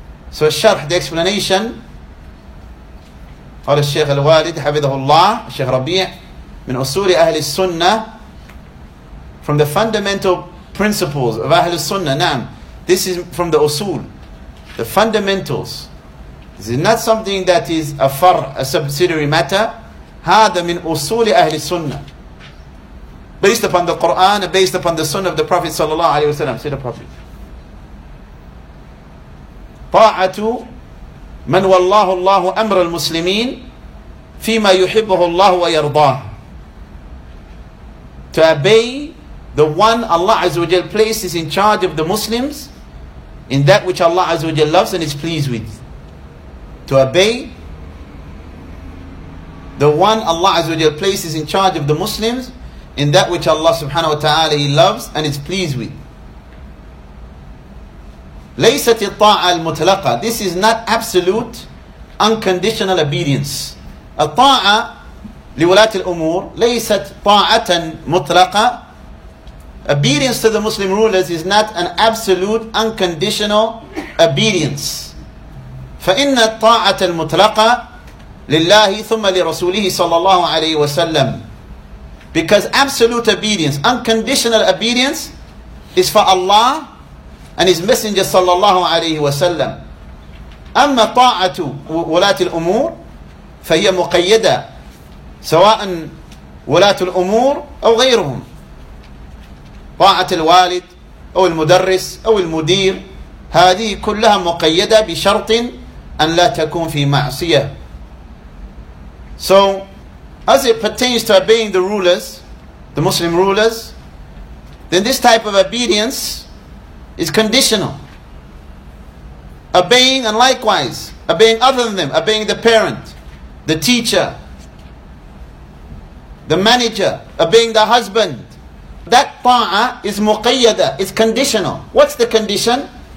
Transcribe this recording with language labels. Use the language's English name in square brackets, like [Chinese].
[English] So الشرح, the explanation, [Arabic] قال الشيخ الوالد حفظه الله, [English] الشيخ ربيع, [Arabic] من أصول أهل السنة, [English] from the fundamental principles of أهل السنة, na'am, this is from the usul, the fundamentals. This is not something that is a far, a subsidiary matter. [Arabic] هذا من أصول أهل السنة. [English] Based upon the Quran, based upon the Sunnah of the Prophet صلى الله عليه وسلم. See the Prophet. [Arabic] طاعة من والله الله أمر المسلمين فيما يحبه الله ويرضاه. [English] To obey the one Allah عز وجل places in charge of the Muslims in that which Allah Azza wa Jalla loves and is pleased with. To obey the one Allah Azza wa Jalla places in charge of the Muslims in that which Allah subhanahu wa ta'ala He loves and is pleased with. [Arabic] ليست الطاعة المطلقة. [English] This is not absolute, unconditional obedience. [Arabic] الطاعة لولاة الأمور ليست طاعة مطلقة. [English] Obedience to the Muslim rulers is not an absolute, unconditional obedience. [Arabic] فَإِنَّ الطَّاعَةَ الْمُطْلَقَةَ لِلَّهِ ثُمَّ لِرَسُولِهِ صَلَّى اللَّهُ عَلَيْهِ وَسَلَّمُ. [English] Because absolute obedience, unconditional obedience, is for Allah and His Messenger صلى الله عليه وسلم. [Arabic] أَمَّا طَاعَةُ وَلَاةِ الْأُمُورِ فَهِيَ مُقَيَّدَةٌ سَوَاءً وَلَاةُ الْأُمُورِ أَوْ غَيْرُهُمْ. طاعة الوالد أو المدرس أو المدير هذه كلها مقيدة بشرط أن لا تكون في معصية. [English] So as it pertains to obeying the rulers, the Muslim rulers, then this type of obedience is conditional. Obeying and likewise, obeying other than them, obeying the parent, the teacher, the manager, obeying the husband, that ta'a is muqayyada, it's conditional. What's the condition?